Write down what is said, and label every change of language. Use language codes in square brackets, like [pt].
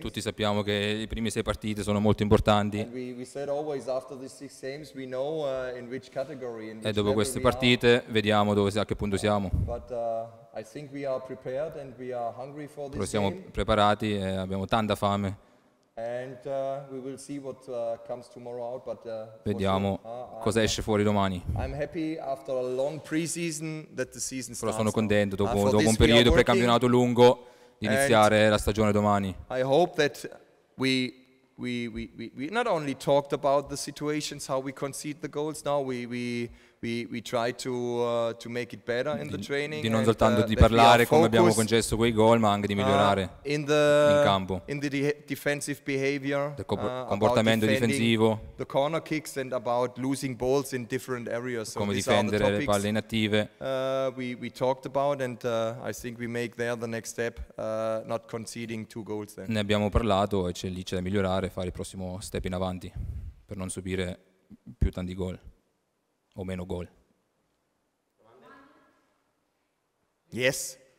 [it] Tutti sappiamo che le prime sei partite sono molto importanti. [en] And we said always after the six games we know in which category in which [it] e dopo queste partite vediamo dove a che punto siamo. [en] But I think we are prepared and we are hungry for this [it] game. Siamo preparati e abbiamo tanta fame. [en] And we will see what comes tomorrow out, but [it] vediamo cosa esce fuori domani. [en] I'm happy after a long pre-season that the season starts. [it] Però sono contento dopo un periodo pre-campionato lungo di iniziare la stagione domani. [en] I hope that we not only talked about the situations, how we concede the goals now, we try to make it better in the training. [it] Di non soltanto di parlare come abbiamo concesso quei gol, ma anche di migliorare in campo. [en] In the defensive behavior, [it] the comportamento difensivo, [en] the corner kicks and about losing balls in different areas. So [it] come difendere le palle inattive. [en] We talked about and I think we make there the next step, not conceding two goals then. [it] Ne abbiamo parlato e c'è lì c'è da migliorare, fare il prossimo step in avanti per non subire più tanti gol. O meno gol. [en] Yes.